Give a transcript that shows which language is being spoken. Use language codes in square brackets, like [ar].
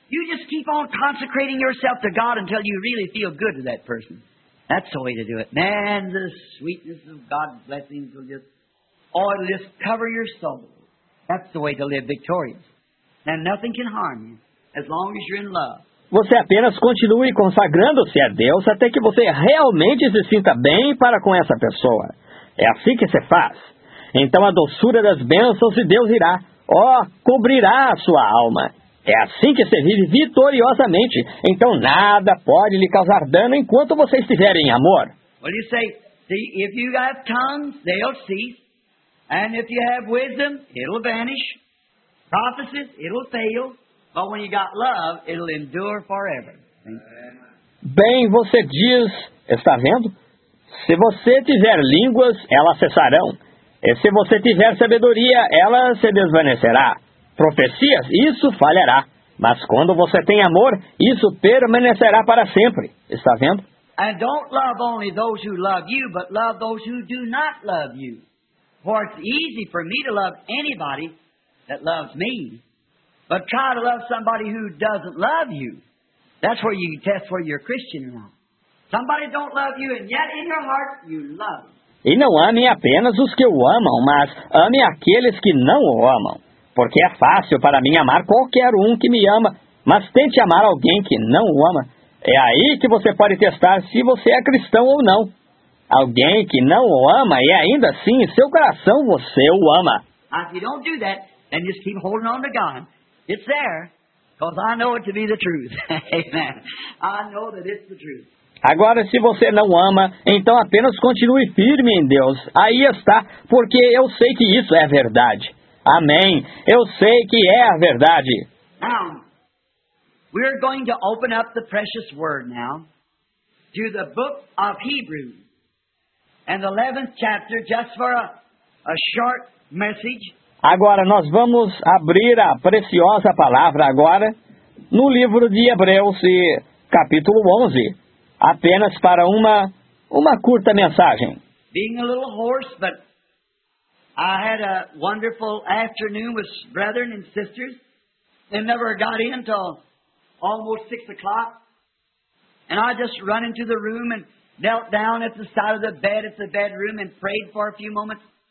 [en] You just keep on consecrating yourself to God until you really feel good to that person. That's the way to do it. Man, the sweetness of God's blessings will just oil, just cover your soul. That's the way to live victorious. And nothing can harm you. As long as you're in love. [pt] Você apenas continue consagrando-se a Deus até que você realmente se sinta bem para com essa pessoa. É assim que se faz. Então a doçura das bênçãos de Deus irá, cobrirá a sua alma. É assim que se vive vitoriosamente. Então nada pode lhe causar dano enquanto você estiver em amor. [en] Well, you say, see, if you have tongues, they'll cease. And if you have wisdom, it'll vanish. Prophecies, it'll fail. But when you got love, it'll endure forever. [pt] Bem, você diz, está vendo? Se você tiver línguas, elas cessarão. E se você tiver sabedoria, ela se desvanecerá. Profecias, isso falhará. Mas quando você tem amor, isso permanecerá para sempre. Está vendo? [en] And don't love only those who love you, but love those who do not love you. For it's easy for me to love anybody that loves me. But try to love somebody who doesn't love you. That's where you test whether you're Christian or not. Somebody don't love you, and yet in your heart you love. [pt] E não ame apenas os que o amam, mas ame aqueles que não o amam. Porque é fácil para mim amar qualquer um que me ama, mas tente amar alguém que não o ama. É aí que você pode testar se você é cristão ou não. Alguém que não o ama, e ainda assim em seu coração você o ama. [en] If you don't do that, then just keep holding on to God. It's there, because I know it to be the truth. Amen. I know that it's the truth. [pt] Agora, se você não ama, então apenas continue firme em Deus. Aí está, porque eu sei que isso é a verdade. Amém. Eu sei que é a verdade. [en] Now, we're going to open up the precious word now to the book of Hebrews. And the 11th chapter, just for a short message. [pt] Agora, nós vamos abrir a preciosa palavra agora no livro de Hebreus, capítulo 11, apenas para uma curta mensagem. [en] Being a little hoarse, but I had a wonderful afternoon with brethren and sisters, and never got in until almost 6 o'clock. And I just run into the room and knelt down at the side of the bed at the bedroom and prayed for a few moments.